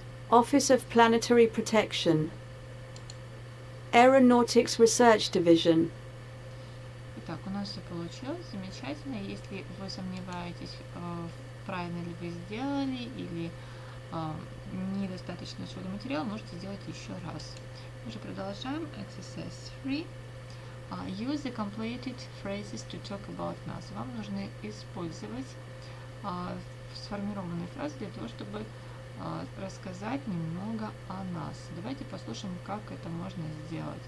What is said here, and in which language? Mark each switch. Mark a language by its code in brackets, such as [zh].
[en] Office of planetary protection. Aeronautics research division. [ru] Итак, у нас все получилось. Замечательно. Если вы сомневаетесь, правильно ли вы сделали или недостаточно усвоили материал, можете сделать еще раз. Мы же продолжаем. [en] Exercise 3. Use the completed phrases to talk about NASA. [ru] Вам нужно использовать сформированные фразы для того, чтобы рассказать немного о нас. Давайте послушаем, как это можно сделать.